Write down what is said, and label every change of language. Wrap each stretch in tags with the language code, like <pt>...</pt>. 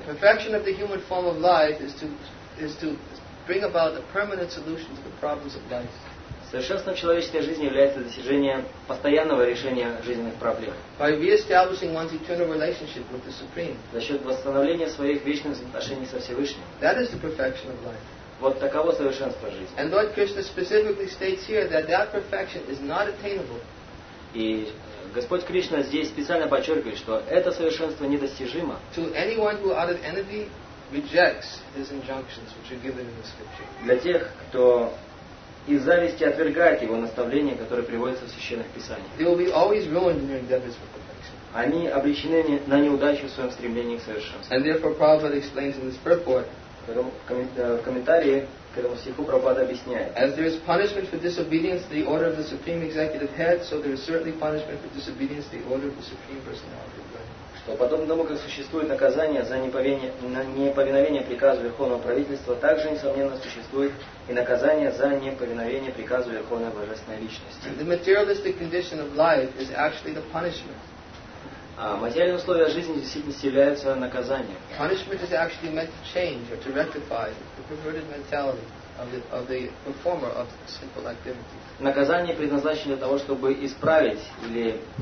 <en>Perfection of the human form of life is to bring about a permanent solution to the problems of life.</en> <ru>Совершенство человеческой жизни является достижением постоянного решения жизненных проблем.</ru> <en>By re-establishing one's eternal relationship with the Supreme.</en> <ru>За счет восстановления своих вечных отношений со Всевышним.</ru> <en>That is the perfection of life.</en> <ru>Вот таково совершенство жизни.</ru> <en>And Lord Krishna specifically states here that perfection is not attainable.</en> <ru>И Господь Кришна здесь специально подчеркивает, что это совершенство недостижимо.</ru> <en>To anyone who out of envy rejects his injunctions which are given in the scripture.</en> <ru>Для тех, кто из зависти отвергать его наставления, которые приводятся в священных писаниях.</ru> <en>They will be always ruined in their endeavors for perfection.</en> <ru>Они обречены на неудачу в своем стремлении к совершенству.</ru> <en>And therefore, Prabhupada explains in this purport.</en> <ru>В комментарии к этому стиху Прабхупада объясняет.</ru> <en>As there is punishment for disobedience to the order of the supreme executive head, so there is certainly punishment for disobedience to the order of the supreme personality.</en> <ru>Что подобно тому, как существует наказание за неповиновение приказу Верховного Правительства, также, несомненно, существует и наказание за неповиновение приказу Верховной Божественной Личности.</ru> <en>The materialistic condition of life is actually the punishment.</en> <ru>А материальные условия жизни действительно являются наказанием.</ru> <en>Punishment is actually meant to change or to rectify the perverted mentality of the performer of sinful activities.</en> <ru>Наказание предназначено для того, чтобы исправить или...</ru>